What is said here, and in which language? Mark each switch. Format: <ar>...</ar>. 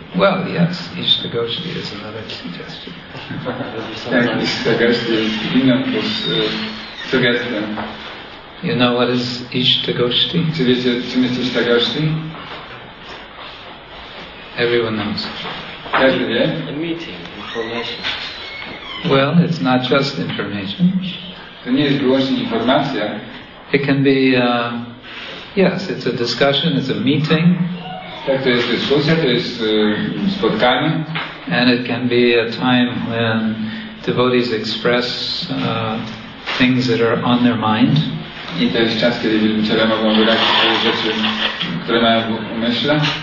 <en>Well, yes, Ishtagoshti is another suggestion.</en> <pl>Tak, Ishtagoshti jest inną sugestią.</pl> <en>You know what is Ishtagoshti?</en> <pl>Czy wiecie, czym jest Ishtagoshti?</pl> <en>Everyone knows.</en> <pl>Każdy wie?</pl> <en>A meeting, information. Well, it's not just information.</en> <pl>To nie jest wyłącznie informacja.</pl> <en>It can be, yes, it's a discussion, it's a meeting.</en> <pl>Tak, to jest dyskusja, to jest spotkanie.</pl> <en>And it can be a time when devotees express things that are on their mind.</en> <pl>I to jest czas, kiedy wielbiciele mogą wyrazić te rzeczy, które mają w umyśle.</pl>